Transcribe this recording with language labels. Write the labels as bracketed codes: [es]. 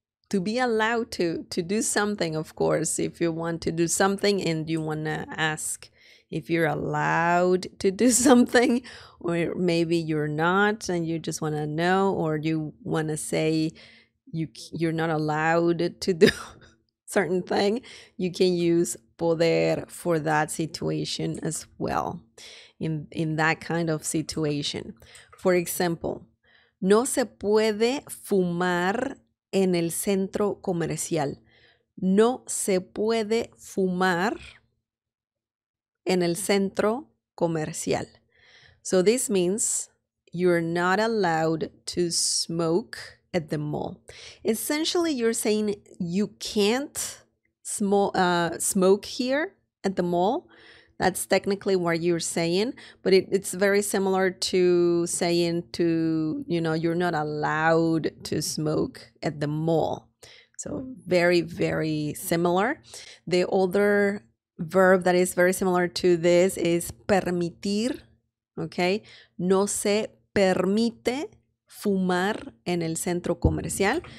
[en] To be allowed to do something, of course, if you want to do something and you want to ask if you're allowed to do something, or maybe you're not and you just want to know, or you want to say you're not allowed to do certain thing, you can use poder for that situation as well, in that kind of situation. For example, [es] no se puede fumar en el centro comercial. No se puede fumar en el centro comercial. [en] So this means you're not allowed to smoke at the mall. Essentially, you're saying you can't smoke here at the mall. That's technically what you're saying, but it's very similar to saying to, you know, you're not allowed to smoke at the mall. So very, very similar. The other verb that is very similar to this is permitir, okay? [es] No se permite fumar en el centro comercial.